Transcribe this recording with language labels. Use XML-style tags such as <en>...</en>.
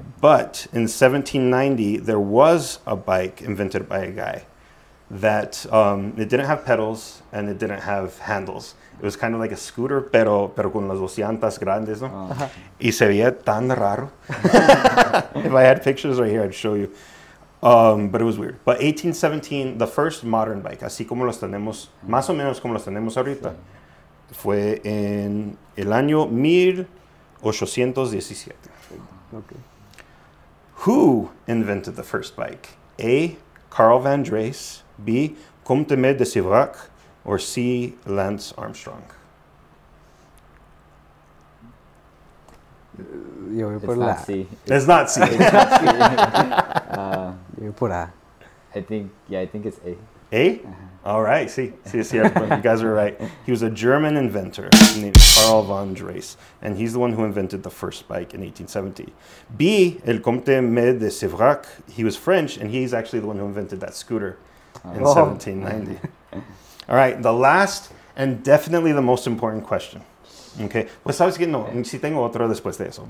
<en>But in 1790, there was a bike invented by a guy that it didn't have pedals and it didn't have handles. It was kind of like a scooter,</en> <es>pero con las dos llantas grandes, ¿no? Uh-huh. Y se veía tan raro.</es> <en>If I had pictures right here, I'd show you. But it was weird. But 1817, the first modern bike,</en> <es>así como los tenemos, más o menos como los tenemos ahorita, sí. Fue en el año 1817.</es> <en>Okay. Who invented the first bike? A. Carl Van Drace, B. Comte Med de Sivrac, or C. Lance Armstrong?</en> <es>Yo voy por</es> <en>it's not C. It's not C.</en> <es>Yo voy por A.</es> <en>I think it's A. A? Uh-huh. All right, sí. Sí, sí, you guys are right. He was a German inventor named Carl von Drace, and he's the one who invented the first bike in 1870. B, el Comte Med de Sivrac, he was French, and he's actually the one who invented that scooter in 1790. All right, the last and definitely the most important question. Okay.</en> <es>Pues sabes que no, si tengo otro después de eso.</es>